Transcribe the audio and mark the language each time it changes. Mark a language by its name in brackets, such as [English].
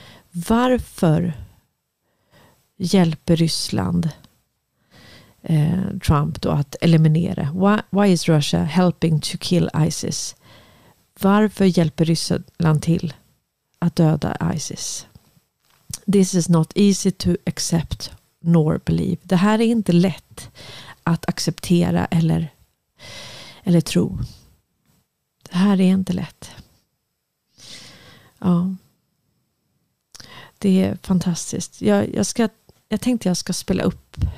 [Swedish] Varför hjälper Ryssland Trump då att eliminera? [English] Why is Russia helping to kill ISIS? [Swedish] Varför hjälper Ryssland till att döda ISIS? [English] This is not easy to accept nor believe. [Swedish] Det här är inte lätt att acceptera eller tro. Det här är inte lätt. Ja. Det är fantastiskt. Jag tänkte jag ska spela upp.